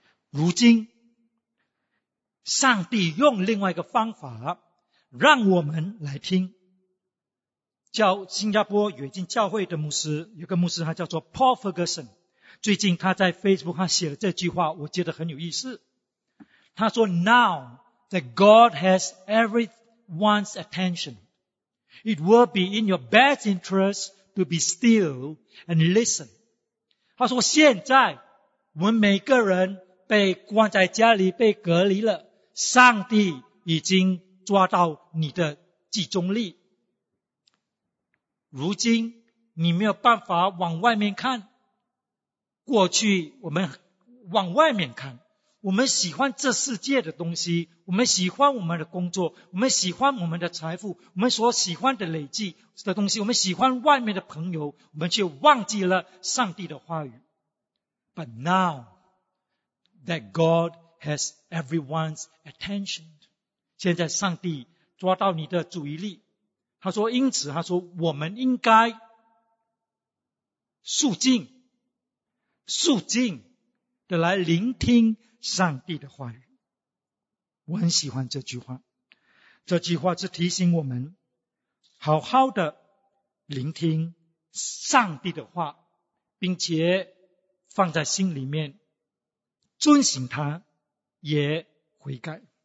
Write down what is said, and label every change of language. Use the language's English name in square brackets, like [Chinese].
[Chinese] 如今上帝用另外一个方法让我们来听。叫新加坡远近教会的牧师，有个牧师他叫做 Paul Ferguson， 最近他在 Facebook 上写了这句话，我觉得很有意思。他说 [English] Now that God has everyone's attention, it will be in your best interest to be still and listen. [Chinese] 他说现在我们每个人被关在家里被隔离了，上帝已经抓到你的集中力。如今你没有办法往外面看，过去我们往外面看，我们喜欢这世界的东西，我们喜欢我们的工作，我们喜欢我们的财富，我们所喜欢的累积的东西，我们喜欢外面的朋友，我们却忘记了上帝的话语。 [English] But now that God has everyone's attention， [Chinese] 现在上帝抓到你的注意力。他说因此他说我们应该肃静的来聆听上帝的话语。我很喜欢这句话，这句话是提醒我们好好的聆听上帝的话，并且放在心里面遵行他，也悔改。